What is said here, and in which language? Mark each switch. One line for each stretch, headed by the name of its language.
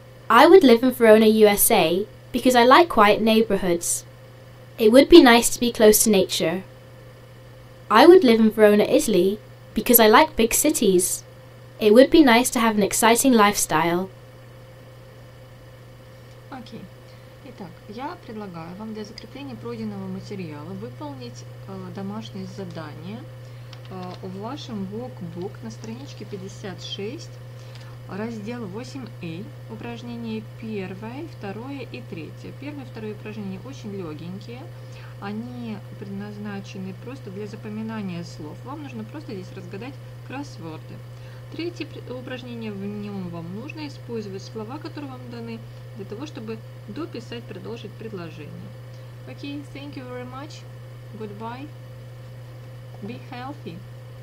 English: I would live in Verona, USA, because I like quiet neighborhoods. It would be nice to be close to nature. I would live in Verona, Italy, because I like big cities. It would be nice to have an exciting lifestyle.
Russian: Итак, я предлагаю вам для закрепления пройденного материала выполнить домашнее задание в вашем workbook на страничке 56, раздел 8A, упражнение 1, 2 и 3. Первое и второе упражнения очень легенькие, они предназначены просто для запоминания слов. Вам нужно просто здесь разгадать кроссворды. Третье упражнение, в нем вам нужно использовать слова, которые вам даны, для того, чтобы дописать, продолжить предложение. Окей,
English: okay, thank you very much. Goodbye. Be healthy.